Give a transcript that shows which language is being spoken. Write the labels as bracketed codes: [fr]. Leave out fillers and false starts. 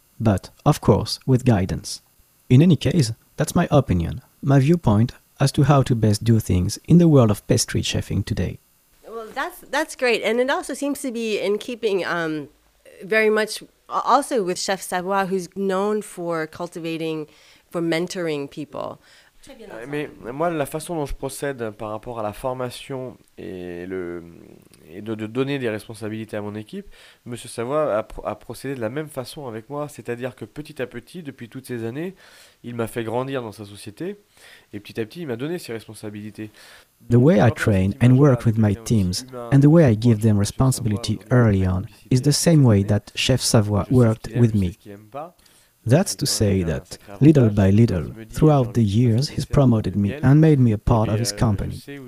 [en] But, of course, with guidance. In any case, that's my opinion, my viewpoint as to how to best do things in the world of pastry chefing today. Well, that's great. And it also seems to be in keeping very much also with Chef Savoie, who's known for cultivating, for mentoring people. [fr] Mais moi, la façon dont je procède par rapport à la formation et de donner des responsabilités à mon équipe, Monsieur Savoie a procédé de la même façon avec moi, c'est-à-dire que petit à petit, depuis toutes ces années, il m'a fait grandir dans sa société et petit à petit, il m'a donné ses responsabilités. [en] The way I train and work with my teams and the way I give them responsibility early on is the same way that Chef Savoie worked with me. That's to say that, little by little, throughout the years, he's promoted me and made me a part of his company.